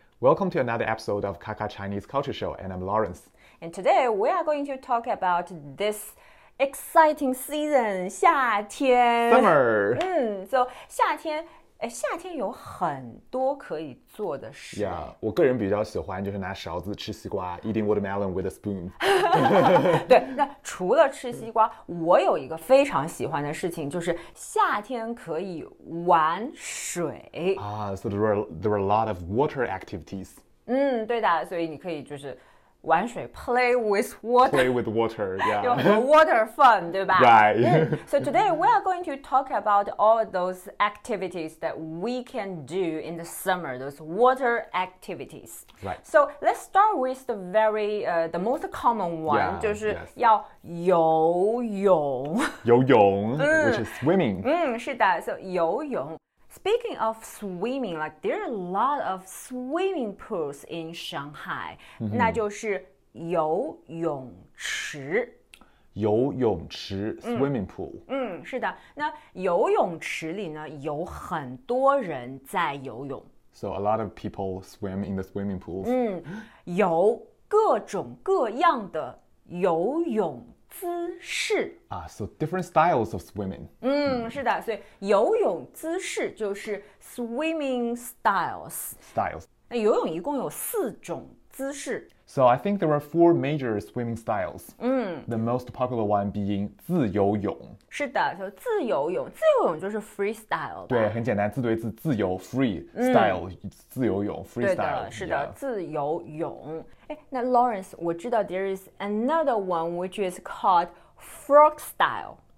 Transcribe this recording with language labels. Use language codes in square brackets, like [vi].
[en] Welcome to another episode of Kakak Chinese Culture Show, and I'm Lawrence. And today we are going to talk about this exciting season, 夏天。 Summer. [zh] So 夏天，哎，夏天有很多可以做的事。 Yeah, 我个人比较喜欢就是拿勺子吃西瓜 ， [en] eating watermelon with a spoon. [zh] 对，那除了吃西瓜，我有一个非常喜欢的事情，就是夏天可以玩水。 [en] So there were a lot of water activities. [zh] 对的，所以你可以就是玩水 ， [en] play with water. Play with water, yeah. [zh] 有很多 water fun, 对吧 [en] ？Right. So today we are going to talk about all those activities that we can do in the summer. Those water activities. Right. So let's start with the very the most common one. Yeah, [zh] 就是要游泳。 [en] 游泳，which is swimming. [zh] 是的。 [en] So 游泳。Speaking of swimming, like there are a lot of swimming pools in Shanghai. [zh] 那就是游泳池。游泳池 swimming pool. 是的。那游泳池里呢，有很多人在游泳。 [en] So a lot of people swim in the swimming pools. [zh] 有各种各样的游泳姿势 [en] 啊，so different styles of swimming. [zh] 是的，所以游泳姿势就是 swimming styles. [en] Styles. [zh] 那游泳一共有四种姿势。 [en] So I think there are four major swimming styles. The most popular one being 自由泳。 [zh] 是的，就自由泳。自由泳就是 freestyle。对，很简单，自对自，自由 freestyle，自由泳 freestyle。是的， [en] yeah. [zh] 自由泳。哎，那 [en] Lawrence， [zh] 我知道 [en] there is another one which is called frog style。